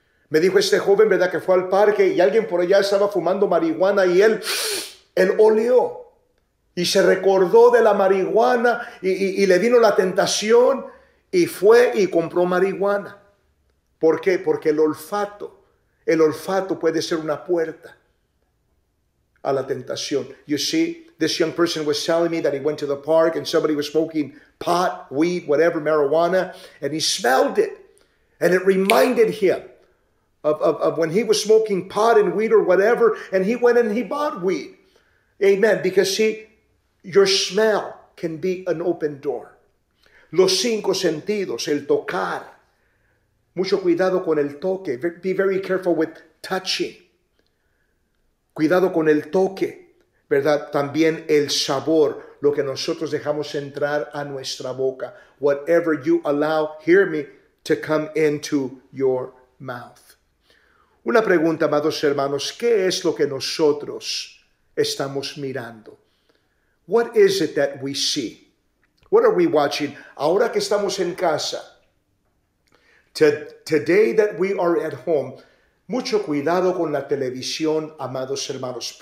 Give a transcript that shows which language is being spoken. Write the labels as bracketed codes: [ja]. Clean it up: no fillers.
[es] Me dijo este joven, ¿verdad?, que fue al parque y alguien por allá estaba fumando marihuana y él olió. Y se recordó de la marihuana y le vino la tentación y fue y compró marihuana. ¿Por qué? Porque el olfato puede ser una puerta a la tentación. [en] You see, this young person was telling me that he went to the park and somebody was smoking pot, weed, whatever, marijuana, and he smelled it and it reminded him of when he was smoking pot and weed or whatever, and he went and he bought weed. Amen. Because see, your smell can be an open door. [es] Los cinco sentidos, el tocar. Mucho cuidado con el toque. [en] Be very careful with touching. [es] Cuidado con el toque, ¿verdad? También el sabor, lo que nosotros dejamos entrar a nuestra boca. [en] Whatever you allow, hear me, to come into your mouth. [es] Una pregunta, amados hermanos, ¿qué es lo que nosotros estamos mirando? [en] What is it that we see? What are we watching? [es] Ahora que estamos en casa, [en] today that we are at home, [es] mucho cuidado con la televisión, amados hermanos.